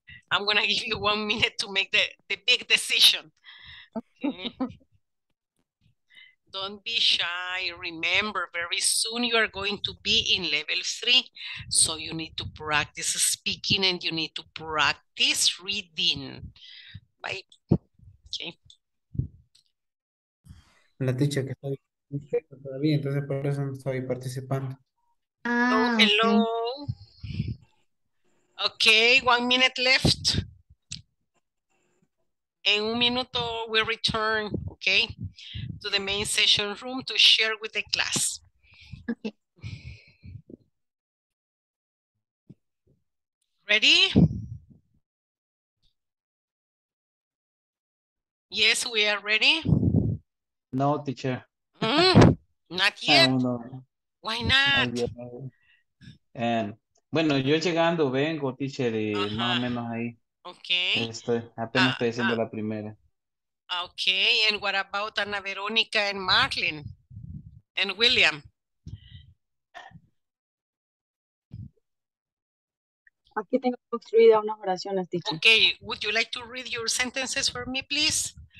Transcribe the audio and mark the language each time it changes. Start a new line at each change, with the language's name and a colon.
English: I'm gonna give you 1 minute to make the big decision. Okay. Don't be shy. Remember, very soon you are going to be in level 3. So you need to practice speaking and you need to practice reading. Bye. Okay.
Spanish: La teacher que estoy todavía, entonces por eso no estoy participando.
English: Oh, hello. Okay, 1 minute left.
Spanish: En un minuto
English: we return, okay, to the main session room to share with the class. Okay. Ready? Yes, we are ready. No, teacher. Not yet. Why not?
Spanish: Bueno, yo llegando vengo, teacher, más o menos ahí.
English: Okay.
Spanish: Estoy apenas haciendo la primera.
English: Okay, and what about Ana Verónica and Marlin and William?
Spanish: Aquí tengo construida unas oraciones, teacher.
English: Okay, would you like to read your sentences for me, please?